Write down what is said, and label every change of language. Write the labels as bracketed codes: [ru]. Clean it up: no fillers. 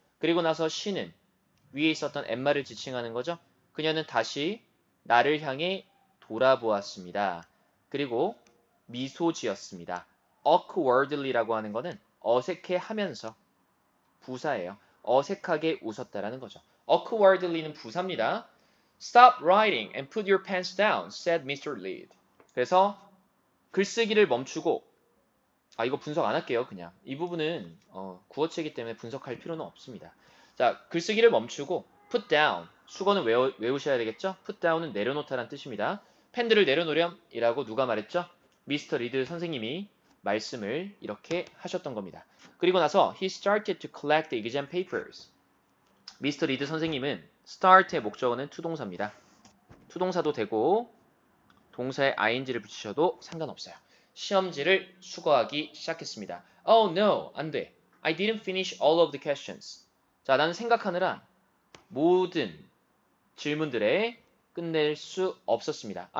[ko] 그리고 나서 she는 위에 있었던 엠마를 지칭하는 거죠. 그녀는 다시 나를 향해 돌아보았습니다. 그리고 미소 지었습니다. awkwardly라고 하는 거는 어색해 하면서 부사예요. 어색하게 웃었다라는 거죠. awkwardly는 부사입니다. [en] Stop writing and put your pants down, said Mr. Reed. [ko] 그래서 글쓰기를 멈추고, 아, 이거 분석 안 할게요, 그냥. 이 부분은 구어체이기 때문에 분석할 필요는 없습니다. 자, 글쓰기를 멈추고, put down. 수거는 외우셔야 되겠죠? put down은 내려놓다란 뜻입니다. 팬들을 내려놓으렴, 이라고 누가 말했죠? 미스터 리드 선생님이 말씀을 이렇게 하셨던 겁니다. 그리고 나서 [en] he started to collect the exam papers. [ko] 미스터 리드 선생님은 start의 목적어는 투동사입니다. 투동사도 되고 동사에 ing를 붙이셔도 상관없어요. 시험지를 수거하기 시작했습니다. [en] Oh no, [ko] 안 돼. [en] I didn't finish all of the questions. [ko] 자, 나는 생각하느라 모든 질문들에 끝낼 수 없었습니다.